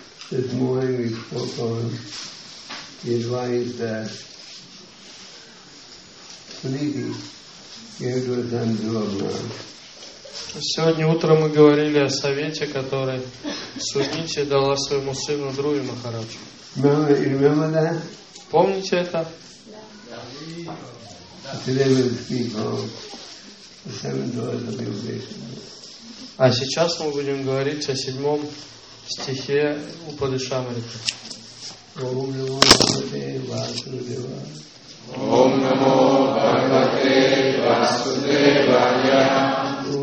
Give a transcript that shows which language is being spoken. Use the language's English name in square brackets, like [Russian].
[English] This morning we spoke on the advice that Sunidhi gave to us on Dhruvana. [Russian] Сегодня утром мы говорили о совете, который Сунити дала своему сыну Друви Махараджу. [English] Remember that? [Russian] Помните это? [English] Today we speak on the seven doors of realization. [Russian] А сейчас мы будем говорить о седьмом стихе у Упанишадамриты. [Sanskrit] Ом намо Бхагавате Васудевая. Ом намо Бхагавате Васудевая.